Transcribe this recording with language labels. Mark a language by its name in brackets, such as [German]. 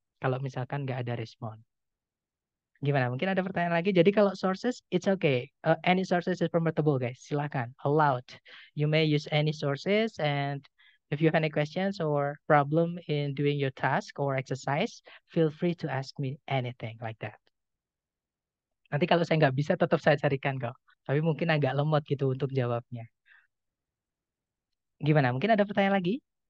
[Indonesian] Kalau misalkan enggak ada respon. Gimana? Mungkin ada pertanyaan lagi. Jadi kalau [English] sources, it's okay. Any sources is permissible guys. [Indonesian] Silakan. [English] Allowed. You may use any sources and if you have any questions or problem in doing your task or exercise, feel free to ask me anything like that. [Indonesian] Nanti kalau saya nggak bisa, tetap saya carikan kok. Tapi mungkin agak lemot gitu untuk jawabnya. Gimana? Mungkin ada pertanyaan lagi?